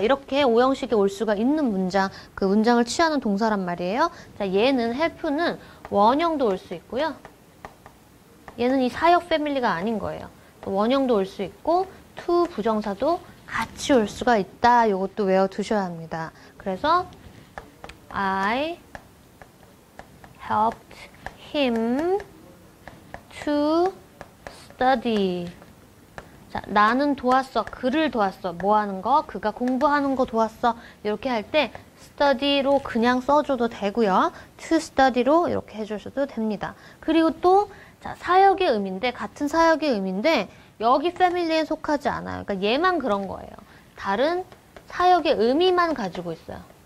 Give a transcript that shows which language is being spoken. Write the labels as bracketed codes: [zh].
[ko] 이렇게 5형식에 올 수가 있는 문장, 그 문장을 취하는 동사란 말이에요. 자, 얘는 help는 원형도 올수 있고요. 얘는 이 사역 패밀리가 아닌 거예요. 원형도 올 수 있고 to 부정사도 같이 올 수가 있다. 이것도 외워두셔야 합니다. 그래서 [en] I helped him to study. [ko] 자, 나는 도왔어. 그를 도왔어. 뭐 하는 거? 그가 공부하는 거 도왔어. 이렇게 할 때 study로 그냥 써줘도 되고요. to study로 이렇게 해주셔도 됩니다. 그리고 또 자, 사역의 의미인데 같은 사역의 의미인데 여기 패밀리에 속하지 않아요. 그러니까 얘만 그런 거예요. 다른 사역의 의미만 가지고 있어요.